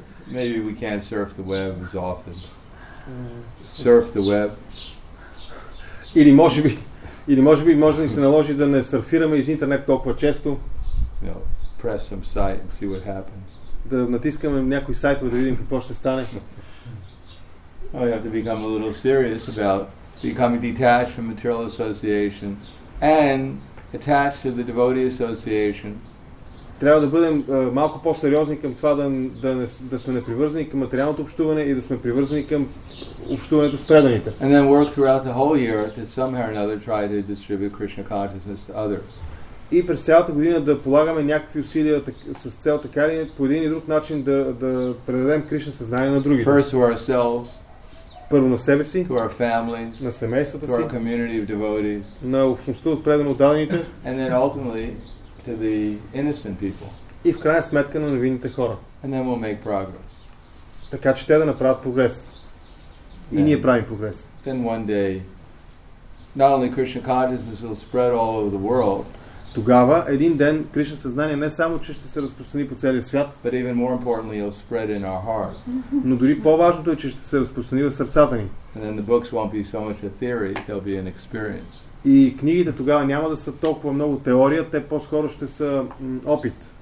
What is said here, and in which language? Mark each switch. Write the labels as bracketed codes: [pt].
[en] Maybe we can't surf the web as often. Surf the web. [bg] Или може би, или може би може да ни се наложи да не сърфираме из интернет толкова често. [en] You know, press some site and see what happens. [bg] Да натискаме някой сайт, да видим какво ще стане. [en] Oh, you have to become a little serious about becoming detached from material association and attached to the devotee association. [bg] Трябва да бъдем малко по-сериозни към това да сме непривързани към материалното общуване и да сме привързани към общуването с преданите. [en] And then work throughout the whole year to somehow or another try to distribute Krishna consciousness to others. [bg] И през цялата година да полагаме някакви усилия с цел така ли по един и друг начин да предадем Кришна съзнание на другите. [en] First to ourselves. [bg] Първо на себе си, [en] to our families, [bg] на семействата [en] to our community of devotees, [bg] на общността от предано отдалените, [en] and then ultimately to the innocent people. [bg] И в крайна сметка на невинните хора. [en] And then we'll make progress. [bg] Така че те да направят прогрес. И ние правим прогрес. [en] Then one day, not only Krishna consciousness will spread all over the world. [bg] Тогава един ден Кришна съзнание не само че ще се разпространи по целия свят, [en] but even more importantly it'll spread in our heart. [bg] Но дори по-важното е, че ще се разпространи в сърцата ни. [en] And then the books won't be so much a theory, they'll be an experience. [bg] И книгите тогава няма да са толкова много теория, те по-скоро ще са опит.